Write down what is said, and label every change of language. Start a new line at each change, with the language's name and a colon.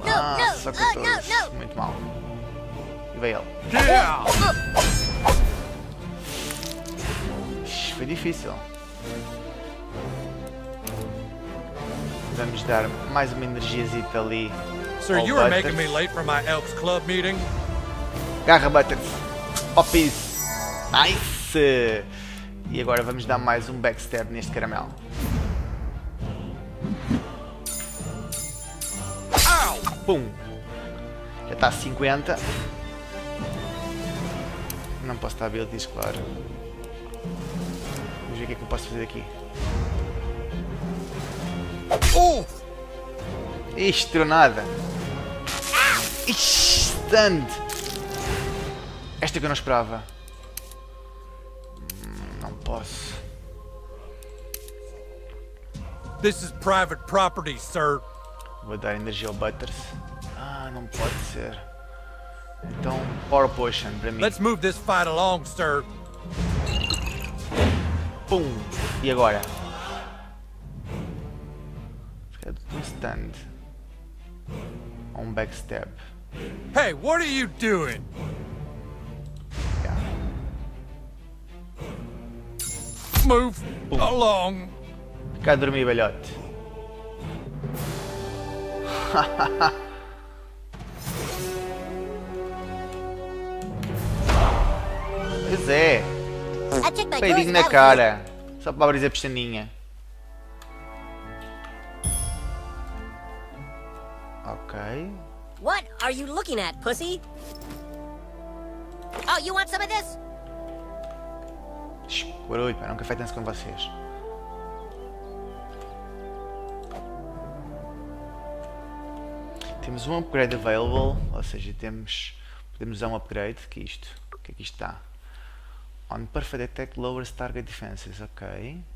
Portuguese: Não, ah, não, só que eu tô muito mal. E veio ele.
English: Yeah.
Portuguese: Foi difícil. Vamos dar mais uma energiazita ali.
English: Sir, you are making me late for my Elks Club meeting. Garra Butters. Popis. Nice!
Portuguese: E agora vamos dar mais um backstab neste caramelo. Ow! Pum! Já está a 50. Não posso dar abilities, claro. Vamos ver o que é que eu posso fazer aqui. Ixi, tronada! Ixi, stunned! Esta é que eu não esperava.
English: This is private property, sir.
Portuguese: Vou dar energia ao Butters. Ah, não pode ser. Então, power potion para mim.
English: Let's move this fight along, sir.
Portuguese: Pum! E agora? Fica um stand. Um backstab.
English: Hey, what are you doing? Move along.
Portuguese: Ok. Cá dormi, velhote. Pois é. Peidinho na cara. Só para abrir a pestaninha. Ok.
English: What are you looking at, pussy? Oh, you want some of this?
Portuguese: Guarulho, pá, nunca feitem-se com vocês. Temos um upgrade available, ou seja, podemos usar um upgrade. Que é isto? O que é que isto dá?
English: On Perfect Attack lowers target defenses.
Portuguese: Ok.